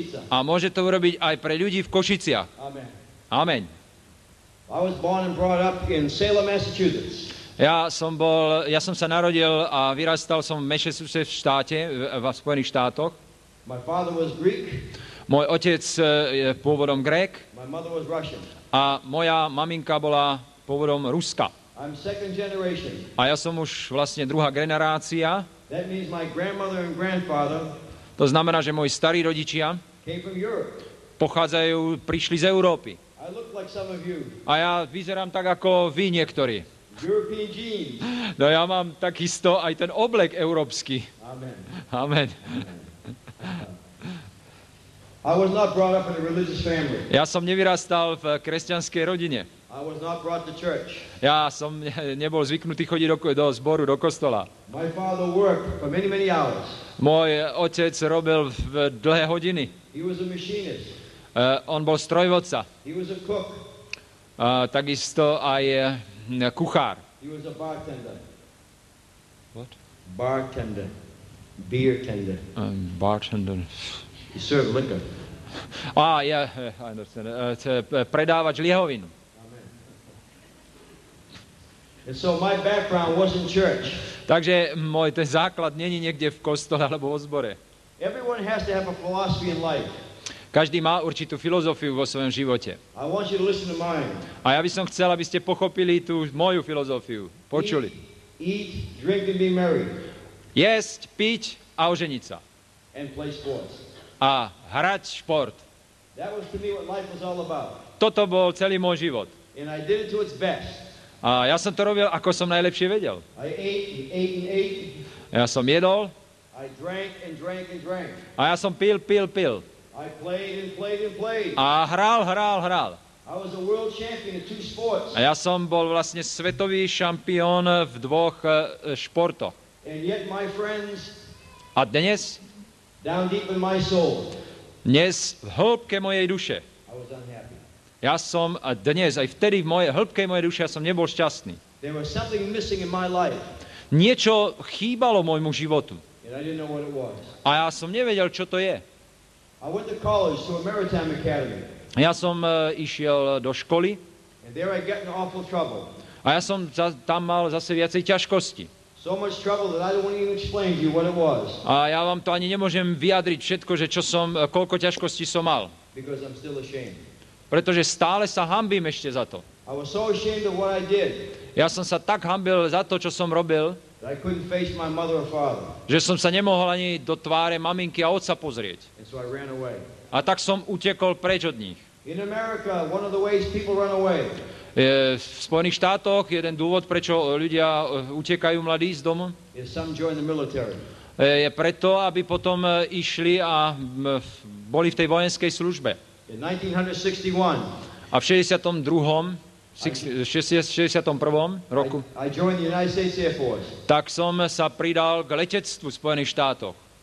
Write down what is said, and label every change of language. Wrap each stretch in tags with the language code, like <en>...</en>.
<sk>A môže to urobiť aj pre ľudí v Košiciach. Amen. Amen.</sk> <en>I was born and brought up in Salem, Massachusetts.</en> <sk>Ja som sa narodil a vyrastal som v Massachusetts v štáte, v Spojených štátoch.</sk> <en>My father was Greek.</en> <sk>Môj otec je pôvodom Grék.</sk> <en>My mother was Russian.</en> <sk>A moja maminka bola pôvodom Ruska.</sk> <en>I'm second generation.</en> <sk>A ja som už vlastne druhá generácia.</sk> <en>That means my grandmother and grandfather.</en> <sk>To znamená, že moji starí rodičia</sk> <en>came from Europe.</en> <sk>Prišli z Európy.</sk> <en>I look like some of you.</en> <sk>A ja vyzerám tak, ako vy niektorí.</sk> <en>European jeans.</en> <sk>No ja mám takisto aj ten oblek európsky. Amen. Amen.</sk> <en>I was not brought up in a religious family.</en> <sk>Ja som nevyrastal v kresťanskej rodine.</sk> <en>I was not brought to church.</en> <sk>Ja som nebol zvyknutý chodiť do zboru, do kostola.</sk> <en>My father worked for many, many hours.</en> <sk>Môj otec robil v dlhé hodiny.</sk> <en>He was a machinist.</en> <sk>On bol strojvodca.</sk> <en>He was a cook.</en> <sk>Takisto aj kuchár.</sk> <en>He was a bartender. What? Bartender. Beer tender. Bartender. He served liquor. Ah, yeah, I understand.</en> <sk>Predávač liehovinu.</sk> <en>And so my background wasn't church.</en> <sk>Takže môj ten základ není niekde v kostole alebo vo zbore.</sk> <en>Everyone has to have a philosophy in life.</en> <sk>Každý má určitú filozofiu vo svojom živote.</sk> <en>I want you to listen to mine.</en> <sk>A ja by som chcel, aby ste pochopili tú moju filozofiu. Počuli.</sk> <en>Eat, drink and be merry.</en> <sk>Jesť, piť a oženiť sa.</sk> <en>And play sports.</en> <sk>A hrať šport.</sk> <en>That was to me what life was all about.</en> <sk>Toto bol celý môj život.</sk> <en>And I did it to its best.</en> <sk>A ja som to robil, ako som najlepšie vedel.</sk> <en>I ate.</en> <sk>Ja som jedol.</sk> <en>I drank and drank and drank.</en> <sk>A ja som pil.</sk> <en>I played and played and played.</en> <sk>A hral.</sk> <en>I was a world champion in two sports.</en> <sk>A ja som bol vlastne svetový šampión v dvoch športoch.</sk> <en>And yet, my friends,</en> <sk>a dnes,</sk> <en>down deep in my soul,</en> <sk>dnes v hĺbke mojej duše,</sk> <en>I was unhappy.</en> <sk>Ja som dnes, aj vtedy v hĺbke mojej duše, ja som nebol šťastný.</sk> <en>There was something missing in my life.</en> <sk>Niečo chýbalo môjmu životu.</sk> <en>And I didn't know what it was.</en> <sk>A ja som nevedel, čo to je.</sk> <en>I went to college, to a maritime academy.</en> <sk>Ja som išiel do školy.</sk> <en>And there I got in awful trouble.</en> <sk>A ja som tam mal zase viacej ťažkosti.</sk> <en>So much trouble that I don't want to even explain to you what it was.</en> <sk>A ja vám to ani nemôžem vyjadriť všetko, že čo som, koľko ťažkostí som mal.</sk> <en>Because I'm still ashamed.</en> <sk>Pretože stále sa hanbím ešte za to.</sk> <en>I was so ashamed of what I did.</en> <sk>Ja som sa tak hanbil za to, čo som robil,</sk> <en>I couldn't face my mother or father.</en> <sk>Že som sa nemohol ani do tváre maminky a otca pozrieť.</sk> <en>And so I ran away.</en> <sk>A tak som utekol preč od nich.</sk> <en>In America, one of the ways people run away.</en> <sk>V Spojených štátoch jeden dôvod, prečo ľudia utekajú mladí z domu,</sk> <en>is some join the military.</en> <sk>Je preto, aby potom išli a boli v tej vojenskej službe.</sk> <en>In 1961,</en> <sk>a v 61. roku</sk> <en>I joined the United States Air Force.</en> <sk>Tak som sa pridal k letectvu v Spojených štátoch.</sk>